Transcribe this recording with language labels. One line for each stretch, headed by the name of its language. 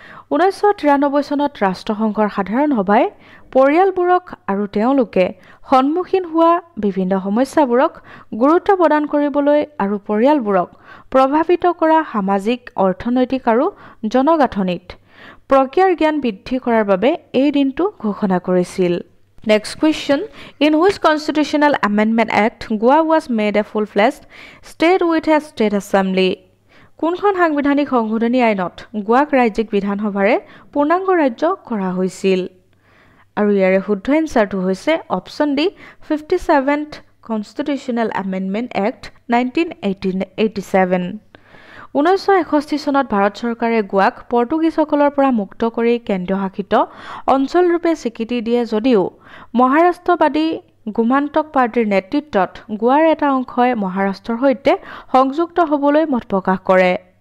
Assamese: 1993 চনত ৰাষ্ট্ৰসংঘৰ সাধাৰণ সভাই পৰিয়ালবোৰক আৰু তেওঁলোকে সন্মুখীন হোৱা বিভিন্ন সমস্যাবোৰক গুৰুত্ব প্ৰদান কৰিবলৈ আৰু পৰিয়ালবোৰক প্ৰভাৱিত কৰা সামাজিক অৰ্থনৈতিক আৰু জনগাঁথনিত প্ৰক্ৰিয়াৰ জ্ঞান বৃদ্ধি কৰাৰ বাবে এই দিনটো ঘোষণা কৰিছিল।
English: Next question, in which constitutional amendment act Goa was made a full-fledged state with a state assembly?
Assamese: কোনখন সাংবিধানিক সংশোধনী আইনত গোৱাক ৰাজ্যিক বিধানসভাৰে পূৰ্ণাংগ ৰাজ্য কৰা হৈছিল? আৰু ইয়াৰে শুদ্ধ এনচাৰটো হৈছে
English: option D, 57th constitutional amendment act
Assamese: 1987। 1961 চনত ভাৰত চৰকাৰে গোৱাক পৰ্তুগীজসকলৰ পৰা মুক্ত কৰি কেন্দ্ৰীয়শাসিত অঞ্চলৰূপে স্বীকৃতি দিয়ে যদিও মহাৰাষ্ট্ৰবাদী গুমান্তক পাৰ্টীৰ নেতৃত্বত গোৱাৰ এটা অংশই মহাৰাষ্ট্ৰৰ সৈতে সংযুক্ত হ'বলৈ মত প্ৰকাশ কৰে।